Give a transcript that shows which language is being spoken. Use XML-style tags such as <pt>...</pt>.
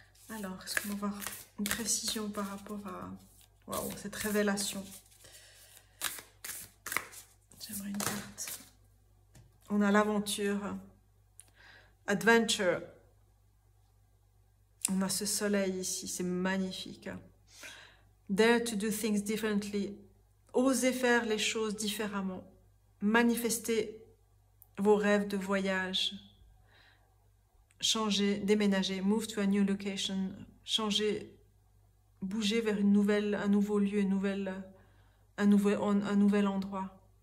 <fr>Alors, est-ce qu'on va avoir une précision par rapport à wow, cette révélation? J'aimerais une carte. On a l'aventure. Adventure. On a ce soleil ici, c'est magnifique.</fr> <en>Dare to do things differently.</en> <fr>Osez faire les choses différemment. Manifestez vos rêves de voyage. Changez, déménagez,</fr> <en>move to a new location.</en> <fr>Changez, bougez vers une nouvelle, un nouveau lieu, un nouvel endroit.</fr>